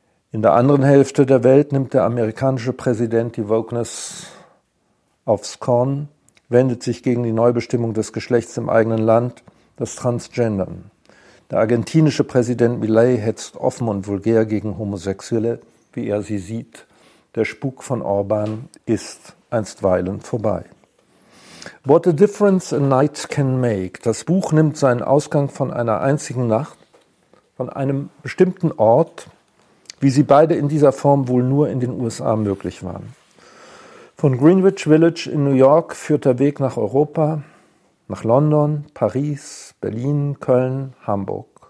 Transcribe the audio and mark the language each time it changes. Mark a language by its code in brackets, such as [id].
[de] In der anderen Hälfte der Welt nimmt der amerikanische Präsident die Wokeness aufs Korn, wendet sich gegen die Neubestimmung des Geschlechts im eigenen Land, das Transgendern. Der argentinische Präsident Milei hetzt offen und vulgär gegen Homosexuelle, wie er sie sieht. Der Spuk von Orban ist einstweilen vorbei. [en] What a difference a night can make. [de] Das Buch nimmt seinen Ausgang von einer einzigen Nacht, von einem bestimmten Ort, wie sie beide in dieser Form wohl nur in den USA möglich waren. Von Greenwich Village in New York führt der Weg nach Europa, nach London, Paris, Berlin, Köln, Hamburg.